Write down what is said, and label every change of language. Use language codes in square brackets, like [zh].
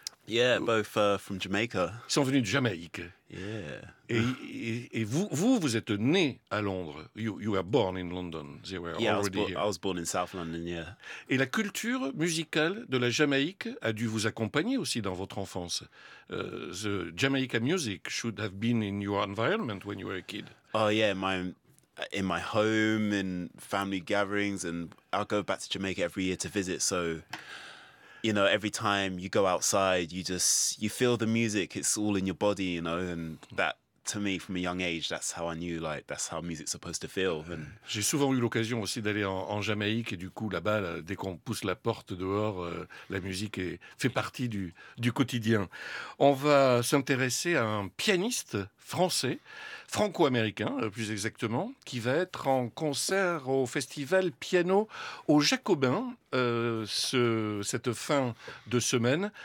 [en] Yeah, both from Jamaica. [fr] Ils sont venus de Jamaïque. [en] Yeah. [fr] Et vous êtes né à Londres. [en] You were born in London. They were yeah, already I was born in South London, yeah. [fr] Et la culture musicale de la Jamaïque a dû vous accompagner aussi dans votre enfance. [en] The Jamaican music should have been in your environment when you were a kid. Oh yeah, in my home, in family gatherings, and I go back to Jamaica every year to visit, so... You know, every time you go outside, you feel the music, it's all in your body, you know, and that, to me, from a young age, that's how I knew, like, that's how music's supposed to feel. And... [fr] J'ai souvent eu l'occasion aussi d'aller en Jamaïque, et du coup, là-bas, dès qu'on pousse la porte dehors, la musique fait partie du quotidien. On va s'intéresser à un pianiste français, franco-américain, plus exactement, qui va être en concert au festival piano aux Jacobins cette fin de semaine.